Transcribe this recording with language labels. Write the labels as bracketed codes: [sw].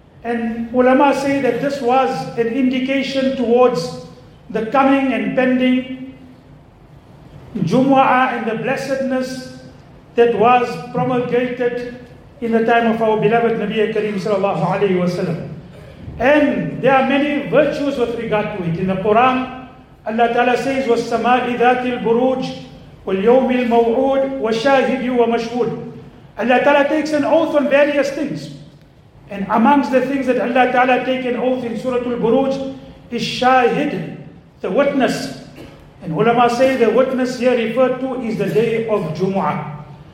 [en] And ulama say that this was an indication towards the coming and pending Jumu'ah and the blessedness that was promulgated in the time of our beloved Nabi Kareem Sallallahu Alaihi Wasallam. And there are many virtues with regard to it. In the Quran, Allah Ta'ala says, [ar] وَالسَّمَاءِ ذَاتِ الْبُرُوجِ وَالْيَوْمِ الْمَوْعُودِ وَشَاهِدِي وَمَشْهُودِ. [en] Allah Ta'ala takes an oath on various things. And amongst the things that Allah Ta'ala takes an oath in Surah Al-Buruj is Shahid, the witness. And ulama say the witness here referred to is the day of Jumu'ah.